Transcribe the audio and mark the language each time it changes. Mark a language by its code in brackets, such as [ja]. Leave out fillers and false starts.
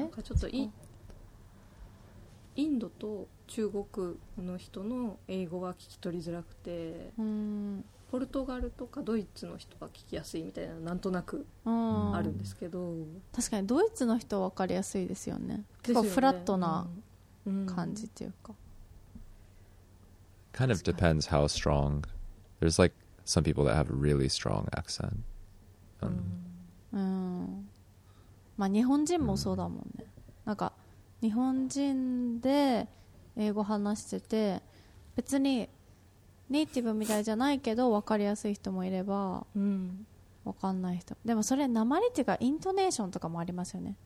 [ja] なんかちょっとインドと中国の人の英語は聞き取りづらくて、うん、ポルトガルとかドイツの人は聞きやすいみたいな、なんとなくあるんですけど、うん、確かにドイツの人は分かりやすいですよね。結構フラットな感じというか、うん [en] うん、Kind of depends how strong. There's like some people that have a really strong accent. [ja] うん、まあ日本人もそうだもんね、うん、なんか日本人で英語話してて別にネイティブみたいじゃないけど分かりやすい人もいれば、うん、分かんない人でも、それ訛りというかイントネーションとかもありますよね。